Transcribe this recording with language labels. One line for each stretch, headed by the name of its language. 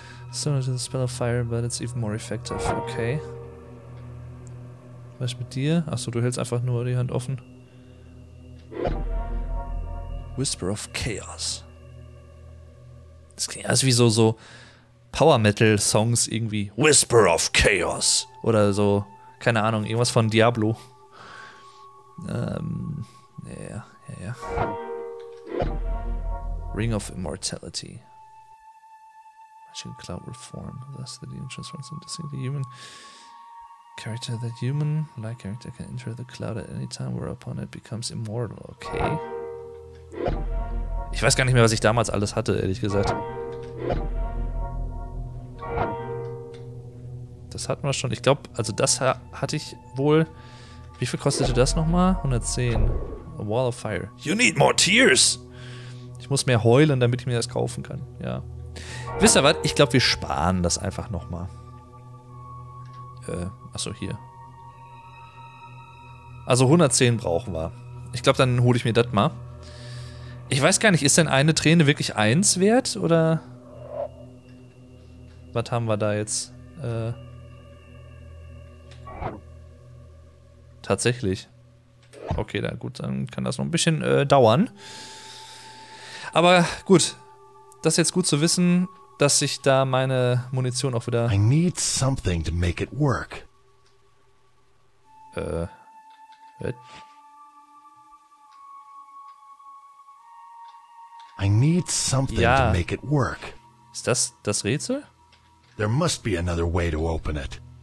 English: Similar to the spell of fire, but it's even more effective.
German: Okay. Was ist mit dir? Achso, du hältst einfach nur die Hand offen. Whisper of Chaos. Das klingt also wie so Power Metal Songs irgendwie. Whisper of Chaos. Oder so, keine Ahnung, irgendwas von Diablo. Ja.
English: Ring of Immortality. Magical Cloud Reform. Thus the demon transforms into single human. Character that human like character can enter the cloud at any time, whereupon it becomes immortal.
German: Okay. Ich weiß gar nicht mehr, was ich damals alles hatte, ehrlich gesagt. Das hatten wir schon. Ich glaube, also das hatte ich wohl. Wie viel kostete das nochmal? 110.
English: A Wall of Fire. You need more tears!
German: Ich muss mehr heulen, damit ich mir das kaufen kann. Ja. Wisst ihr was? Ich glaube, wir sparen das einfach nochmal. Achso, hier. Also 110 brauchen wir. Ich glaube, dann hole ich mir das mal. Ich weiß gar nicht, ist denn eine Träne wirklich eins wert? Oder. Was haben wir da jetzt? Tatsächlich. Okay, dann gut, dann kann das noch ein bisschen dauern. Aber gut. Das ist jetzt gut zu wissen, dass ich da meine Munition auch wieder.
English: I need something to make it work. I need something to make it work.
German: Ist das das Rätsel?
English: There must be another way to open it.